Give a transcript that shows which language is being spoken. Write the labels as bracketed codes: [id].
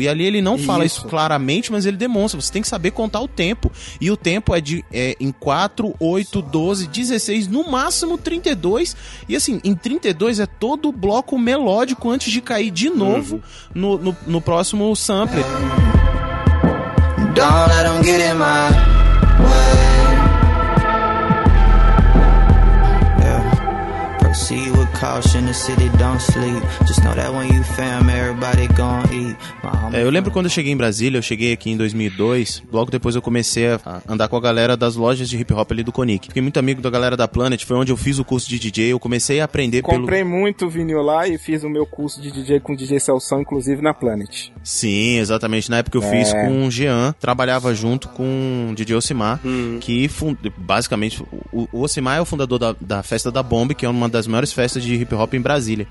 [pt] E ali ele não fala isso claramente, mas ele demonstra, você tem que saber contar o tempo. E o tempo é em 4, 8, 12, 16, no máximo 32. E assim, em 32 é todo o bloco melódico antes de cair de novo no próximo sampler. [en] Don't let them get in my way. Yeah. Proceed with caution, the city don't sleep. Just know that when you fam, everybody gon' eat. [pt] Eu lembro quando eu cheguei em Brasília, eu cheguei aqui em 2002, logo depois eu comecei a andar com a galera das lojas de hip hop ali do Conic. Fiquei muito amigo da galera da Planet, foi onde eu fiz o curso de DJ, eu comecei a aprender. Comprei muito vinil lá e fiz o meu curso de DJ com DJ Celção, inclusive na Planet. Sim, exatamente, na época eu fiz com o Jean, trabalhava junto com o DJ Ocimar, que basicamente, o Ocimar é o fundador da Festa da Bomb, que é uma das maiores festas de hip hop em Brasília.